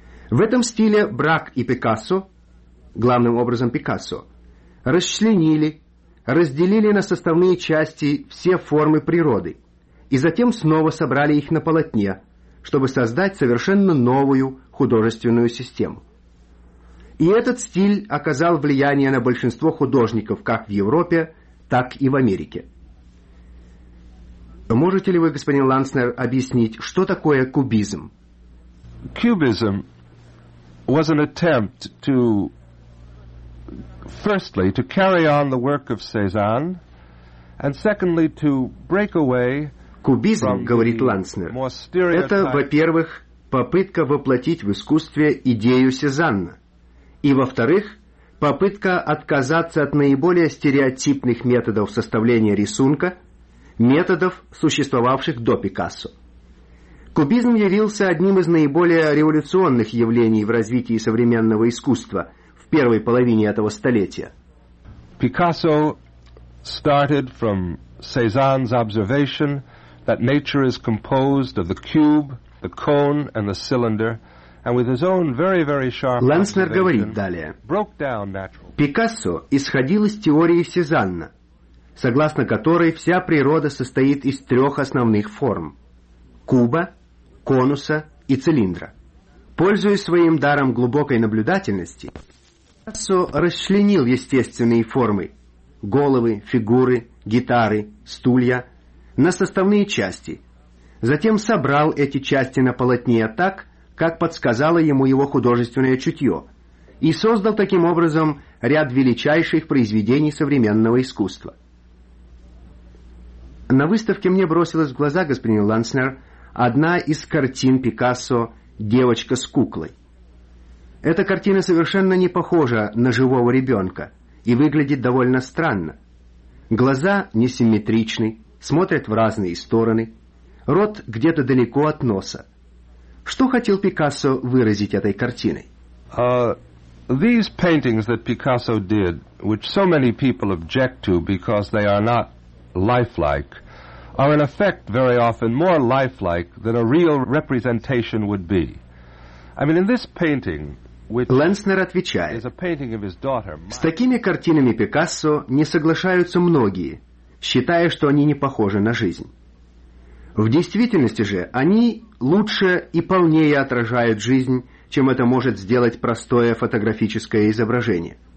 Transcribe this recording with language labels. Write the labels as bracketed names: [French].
[Russian] В этом стиле Брак и Пикассо, главным образом Пикассо, расчленили, разделили на составные части все формы природы и затем снова собрали их на полотне, чтобы создать совершенно новую художественную систему. И этот стиль оказал влияние на большинство художников как в Европе, так и в Америке. Можете ли вы, господин Ланснер, объяснить, что такое кубизм? [English] Cubism was an attempt to, firstly, to carry on the work of Cézanne, and secondly, to break away. [Russian] Кубизм, говорит Ланснер, это, во-первых, попытка воплотить в искусстве идею Сезанна, и, во-вторых, попытка отказаться от наиболее стереотипных методов составления рисунка, методов, существовавших до Пикассо. Кубизм явился одним из наиболее революционных явлений в развитии современного искусства в первой половине этого столетия. [English] Пикассо started from Cézanne's observation that nature is composed of the cube, the cone, and the cylinder, and with his own very, very sharp [Russian] Ленснер говорит далее. Пикассо исходил из теории Сезанна, согласно которой вся природа состоит из трех основных форм – куба, конуса и цилиндра. Пользуясь своим даром глубокой наблюдательности, Пикассо расчленил естественные формы – головы, фигуры, гитары, стулья – на составные части, затем собрал эти части на полотне так, как подсказало ему его художественное чутье, и создал таким образом ряд величайших произведений современного искусства. На выставке мне бросилась в глаза, господин Ланцнер, одна из картин Пикассо «Девочка с куклой». Эта картина совершенно не похожа на живого ребенка и выглядит довольно странно. Глаза несимметричны, смотрят в разные стороны, рот где-то далеко от носа. Что хотел Пикассо выразить этой картиной? [English] These paintings that Picasso did, which so many people object to because they are not lifelike, are in effect very often more lifelike than a real representation would be. I mean, in this painting, which [Russian] Ленснер отвечает, [English] is a painting of his daughter, [Russian] с такими картинами Пикассо не соглашаются многие, считая, что они не похожи на жизнь. В действительности же они лучше и полнее отражают жизнь, чем это может сделать простое фотографическое изображение.